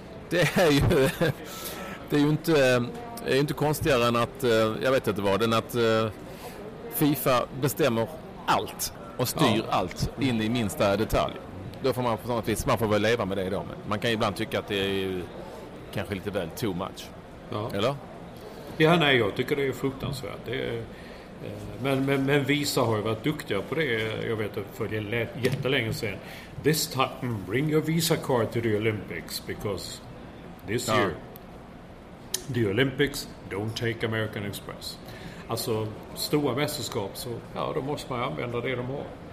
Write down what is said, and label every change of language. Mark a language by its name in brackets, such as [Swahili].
[Swedish] Det är ju inte konstigare än att, jag vet inte vad, den att FIFA bestämmer allt och styr allt in i minsta detalj. Då får man på något vis, man får väl leva med det då. Men man kan ju ibland tycka att det är ju kanske lite väl too much. Ja. Eller? Ja, nej, jag tycker det är fruktansvärt. Det är, men vissa har ju varit duktiga på det. Jag vet att för jättelänge sedan. [English] This time, bring your visa card to the Olympics because this year the Olympics don't take American Express. [Swedish] Alltså stora mästerskap, så ja, då måste man använda det de har.